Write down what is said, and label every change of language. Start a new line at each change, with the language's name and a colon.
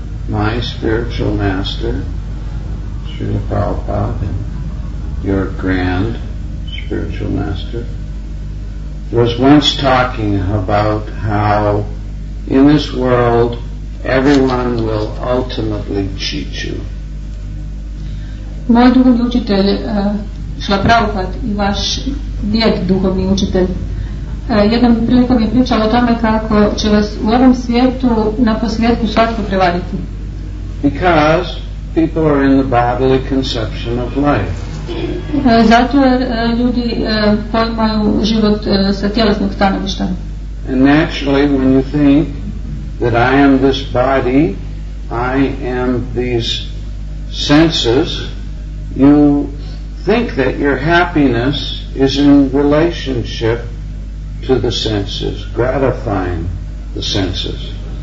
English: My spiritual master, Srila Prabhupada, and your grand spiritual master, was once talking about how in this world everyone will ultimately cheat you.
Croatian: Moj duhovni učitelj Srila Prabhupada i vaš djed duhovni učitelj jednom prilikom je pričao o tome kako će vas u ovom svijetu na posljedku svatko prevariti.
English: Because people are in the bodily conception of life.
Croatian: Zato jer ljudi poimaju život sa tjelesnog stanovišta.
English: And naturally when you think that I am this body, I am these senses, you think that your happiness is in relationship to the senses, gratifying the senses.